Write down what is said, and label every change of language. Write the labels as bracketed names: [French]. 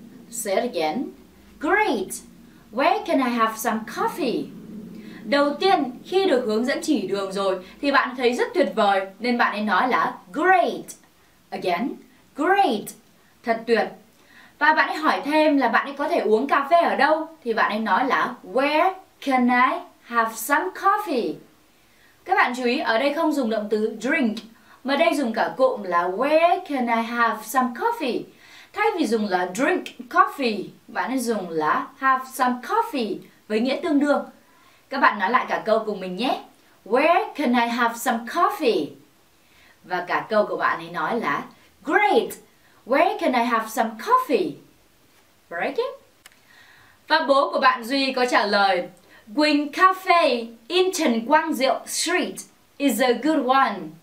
[English] Say it again. Great, where can I have some coffee? [Vietnamese] Đầu tiên, khi được hướng dẫn chỉ đường rồi, thì bạn thấy rất tuyệt vời, nên bạn ấy nói là great. Again, great, thật tuyệt. Và bạn ấy hỏi thêm là bạn ấy có thể uống cà phê ở đâu, thì bạn ấy nói là [English] where can I have some coffee? [Vietnamese] Các bạn chú ý, ở đây không dùng động từ drink, mà đây dùng cả cụm là [English] where can I have some coffee? [Vietnamese] Thay vì dùng là [English] drink coffee, [Vietnamese] bạn ấy dùng là [English] have some coffee [Vietnamese] với nghĩa tương đương. Các bạn nói lại cả câu cùng mình nhé. [English] Where can I have some coffee? [Vietnamese] Và cả câu của bạn ấy nói là [English] great, where can I have some coffee? Break it. [Vietnamese] Và bố của bạn Duy có trả lời [English] Quinn Cafe in Trần Quang Diệu Street is a good one.